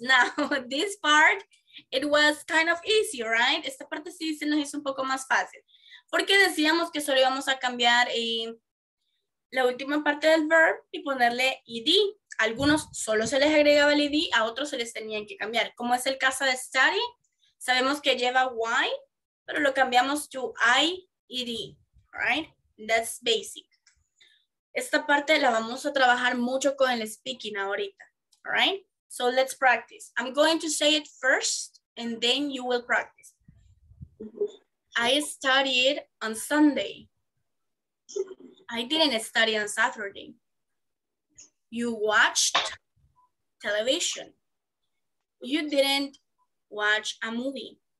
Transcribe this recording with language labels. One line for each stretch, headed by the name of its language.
English: Now, this part, it was kind of easy, right?
Spanish: Esta parte sí se nos hizo un poco más fácil. Porque decíamos que solo íbamos a cambiar la última parte del verb y ponerle ed. Algunos solo se les agregaba el ed, a otros se les tenían que cambiar. Como es el caso de study, sabemos que lleva y, pero lo cambiamos to ied, right?
English: That's basic.
Spanish: Esta parte la vamos a trabajar mucho con el speaking ahorita, right?
English: So let's practice. I'm going to say it first and then you will practice. I studied on Sunday. I didn't study on Saturday. You watched television. You didn't watch a movie.